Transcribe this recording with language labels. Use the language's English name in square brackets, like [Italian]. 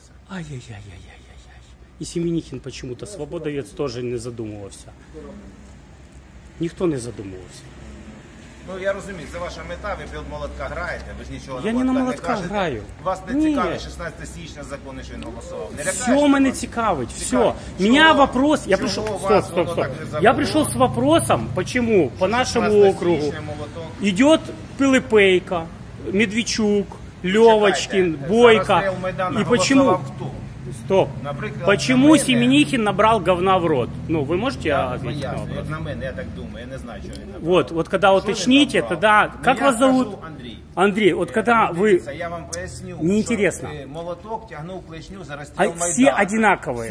[Russian] Ай-яй-яй-яй-яй-яй-яй. И Семенихин почему-то, свободовец, тоже не задумывался. Никто не задумывался. [Ukrainian] Ну, я розумію, це ваша мета, ви під молотка граєте, ви ж нічого не кажете. Я не на молотка не граю. Вас не цікавить 16 січня закони, що він голосував. Не лякаєш, все мене цікавить, все. Чого? Мене вопрос, я прийшов, стоп. Я прийшов з вопросом, чому по нашому округу йде Пилипейка, Медведчук, Левочкин, Бойко. [Russian] И почему? Стоп. [Ukrainian] Наприклад, [Russian] почему на Семенихин набрал говна в рот? Ну, вы можете ответить на вопрос? [Ukrainian] На мене, я так думаю, я не знаю, [Russian] что это. Вот, когда уточните, тогда... Как вас зовут? Андрей. Андрей, вот когда вы... Я вам поясню. Неинтересно. Молоток тягнул клешню за расстрел Майдана. Все одинаковые.